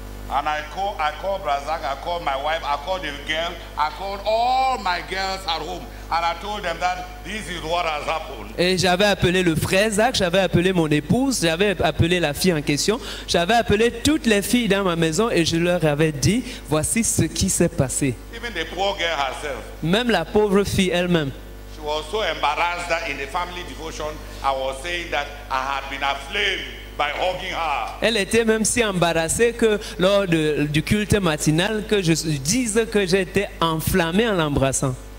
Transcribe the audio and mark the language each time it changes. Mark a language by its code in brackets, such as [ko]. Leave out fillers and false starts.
[en] And I called Brazak, I called my wife, I called the girl, I called all my girls at home, and I told them that this is what has happened. [fr] Et j'avais appelé le frère Zach, j'avais appelé mon épouse, j'avais appelé la fille en question, j'avais appelé toutes les filles dans ma maison et je leur avais dit, voici ce qui s'est passé. [en] Even the poor girl herself. [fr] Même la pauvre fille elle-même. [en] She was so embarrassed that in the family devotion, I was saying that I had been aflame. By hugging her. [fr] Elle était même si embarrassée que lors du culte matinal que je dise que j'étais enflammé en l'embrassant.